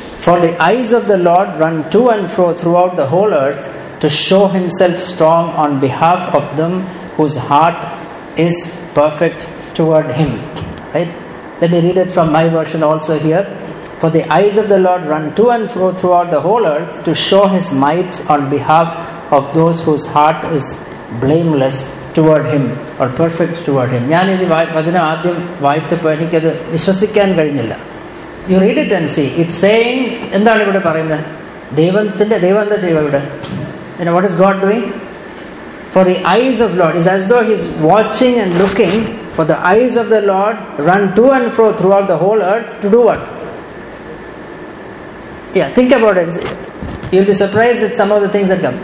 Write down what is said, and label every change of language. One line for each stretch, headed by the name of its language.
English: For the eyes of the Lord run to and fro throughout the whole earth to show himself strong on behalf of them whose heart is perfect toward him. Right? Let me read it from my version also here. For the eyes of the Lord run to and fro throughout the whole earth to show his might on behalf of those whose heart is blameless toward him or perfect toward him.
Malayalam: ഞാൻ ഈ വചനം ആദ്യം വായിച്ചപ്പോൾ എനിക്കത് വിശ്വസിക്കാൻ കഴിഞ്ഞില്ല.
English: You read it and see. It's saying,
Malayalam: എന്താണ് ഇവിടെ പറയുന്നത്? ദൈവത്തിന്റെ ദൈവം എന്താ ചെയ്യുക ഇവിടെ?
English: You know, what is God doing? For the eyes of Lord, it's as though he's watching and looking. For the eyes of the Lord run to and fro throughout the whole earth to do what? Yeah, think about it. You'll be surprised at some of the things that come.